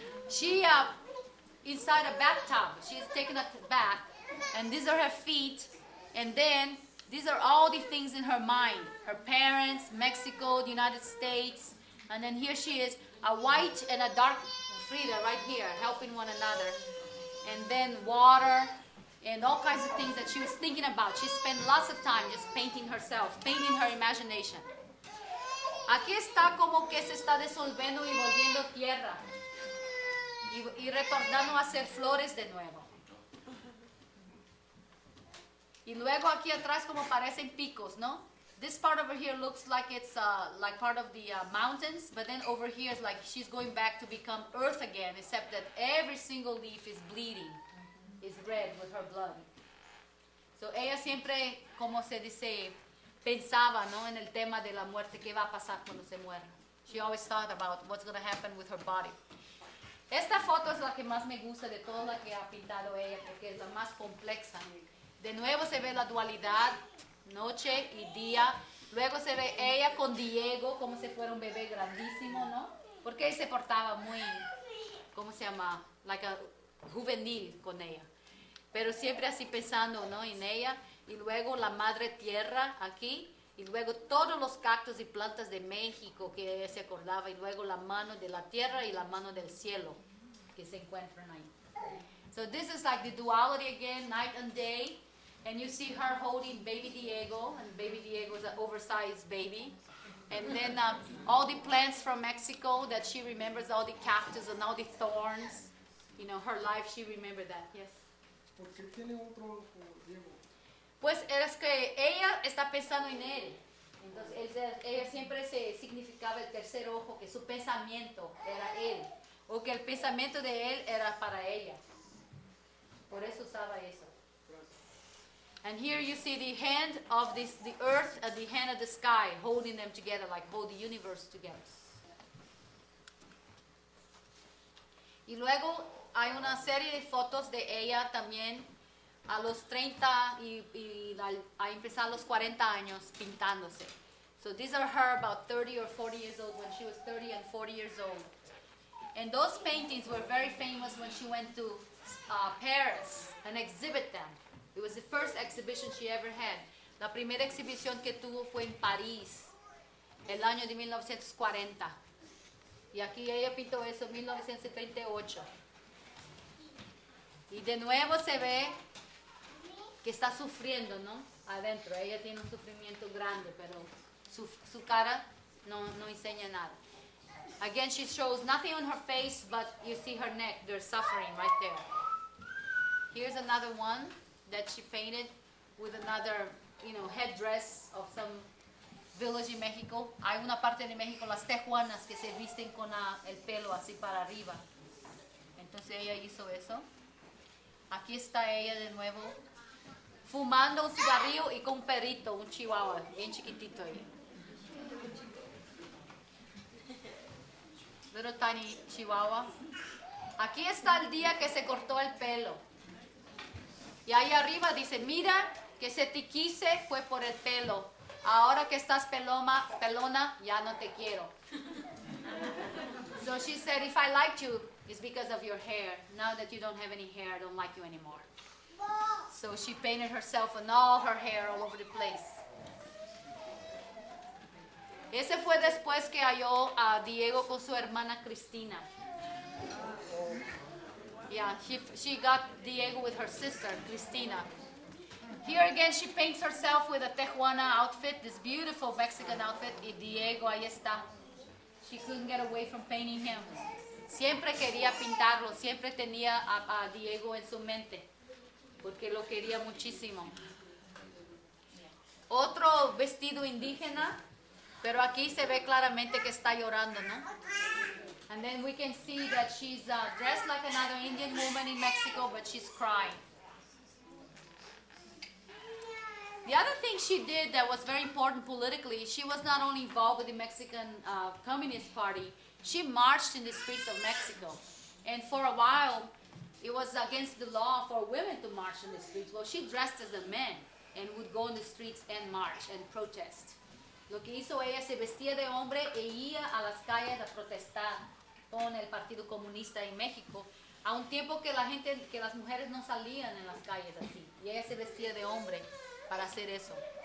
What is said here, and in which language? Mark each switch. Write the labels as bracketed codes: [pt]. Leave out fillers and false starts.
[en] She, inside a bathtub, she's taking a bath, and these are her feet, and then these are all the things in her mind. Her parents, Mexico, the United States, and then here she is, a white and a dark Frida right here, helping one another. And then water, and all kinds of things that she was thinking about. She spent lots of time just painting herself, painting her imagination. [es] Aquí está como que se está disolviendo y volviendo tierra. Y retornando a hacer flores de nuevo. Y luego aquí atrás como parecen picos, ¿no? [en] This part over here looks like it's like part of the mountains, but then over here is like she's going back to become earth again, except that every single leaf is bleeding. Is red with her blood. [es] So ella siempre, como se dice, pensaba, ¿no?, en el tema de la muerte, qué va a pasar cuando se muera. [en] She always thought about what's going to happen with her body. [es] Esta foto es la que más me gusta de toda la que ha pintado ella, porque es la más compleja. De nuevo se ve la dualidad, noche y día. Luego se ve ella con Diego, como si fuera un bebé grandísimo, ¿no? Porque él se portaba muy, ¿cómo se llama? [en] Like a [es] juvenil con ella, pero siempre así pensando, ¿no?, en ella. Y luego la madre tierra aquí, y luego todos los cactus y plantas de México que ella se acordaba, y luego la mano de la tierra y la mano del cielo que se encuentran ahí. [en] So this is like the duality again, night and day, and you see her holding baby Diego, and baby Diego is an oversized baby. And then all the plants from Mexico that she remembers, all the cactus and all the thorns. You know, her life, she remembered that, yes. [es] ¿Por qué tiene otro Diego? Pues es que ella está pensando en él. Entonces, ella siempre se significaba el tercer ojo, que su pensamiento era él. O que el pensamiento de él era para ella. Por eso usaba eso. [en] And here you see the hand of this, the earth and the hand of the sky holding them together, like hold the universe together. [es] Y luego hay una serie de fotos de ella también a los 30 y a empezar los 40 años pintándose. [en] So these are her about 30 or 40 years old, when she was 30 and 40 years old. And those paintings were very famous when she went to Paris and exhibit them. It was the first exhibition she ever had. [es] La primera exhibición que tuvo fue en París. el año de 1940. Y aquí ella pintó eso en 1938. Y de nuevo se ve que está sufriendo, ¿no? Adentro. Ella tiene un sufrimiento grande, pero su cara no enseña nada. [en] Again, she shows nothing on her face, but you see her neck. There's suffering right there. Here's another one that she painted with another, you know, headdress of some village in Mexico. [es] Hay una parte de México, las tejuanas, que se visten con el pelo así para arriba. Entonces ella hizo eso. Aquí está ella de nuevo, fumando un cigarrillo y con un perrito, un chihuahua, bien chiquitito ahí. [en] Little tiny chihuahua. [es] Aquí está el día que se cortó el pelo. Y ahí arriba dice, mira que se te quise fue por el pelo. Ahora que estás pelona, ya no te quiero. [en] So she said, if I liked you, it's because of your hair. Now that you don't have any hair, I don't like you anymore. So she painted herself and all her hair all over the place. [es] Ese fue después que halló a Diego con su hermana Cristina. [en] Yeah, she got Diego with her sister, Cristina. Here again, she paints herself with a Tijuana outfit, this beautiful Mexican outfit. [es] Y Diego, ahí está. [en] She couldn't get away from painting him. [es] Siempre quería pintarlo, siempre tenía a Diego en su mente, porque lo quería muchísimo. Otro vestido indígena, pero aquí se ve claramente que está llorando, ¿no? [en] And then we can see that she's dressed like another Indian woman in Mexico, but she's crying. The other thing she did that was very important politically, she was not only involved with the Mexican Communist Party, she marched in the streets of Mexico. And for a while, it was against the law for women to march in the streets. Well, she dressed as a man and would go in the streets and march and protest. [es] Lo que hizo ella, se vestía de hombre e iba a las calles a protestar con el Partido Comunista en México, a un tiempo que la gente, que las mujeres no salían en las calles así. Y ella se vestía de hombre para hacer eso.